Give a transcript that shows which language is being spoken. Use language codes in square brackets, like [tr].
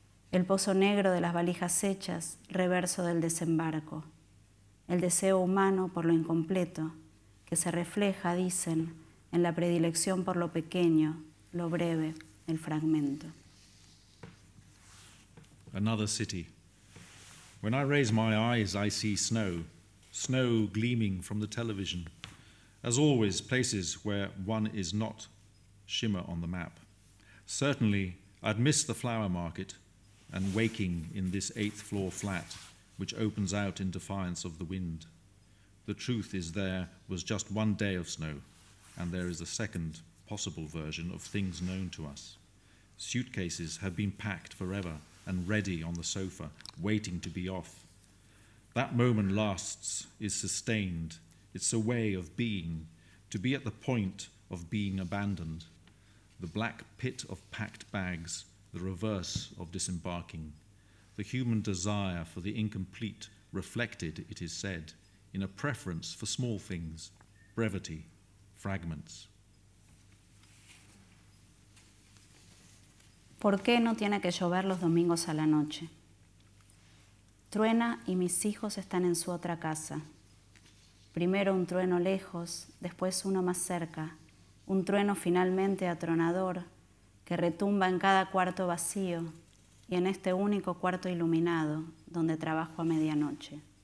[es] El pozo negro de las valijas hechas, reverso del desembarco. El deseo humano por lo incompleto, que se refleja, dicen, en la predilección por lo pequeño, lo breve, el fragmento. [en] Another city. When I raise my eyes, I see snow, snow gleaming from the television. As always, places where one is not shimmer on the map. Certainly, I'd miss the flower market and waking in this eighth floor flat, which opens out in defiance of the wind. The truth is there was just one day of snow, and there is a second possible version of things known to us. Suitcases have been packed forever and ready on the sofa, waiting to be off. That moment lasts, is sustained. It's a way of being, to be at the point of being abandoned. The black pit of packed bags, the reverse of disembarking. The human desire for the incomplete reflected, it is said, in a preference for small things, brevity, fragments. [es] ¿Por qué no tiene que llover los domingos a la noche? Truena y mis hijos están en su otra casa. Primero un trueno lejos, después uno más cerca. Un trueno finalmente atronador que retumba en cada cuarto vacío y en este único cuarto iluminado donde trabajo a medianoche.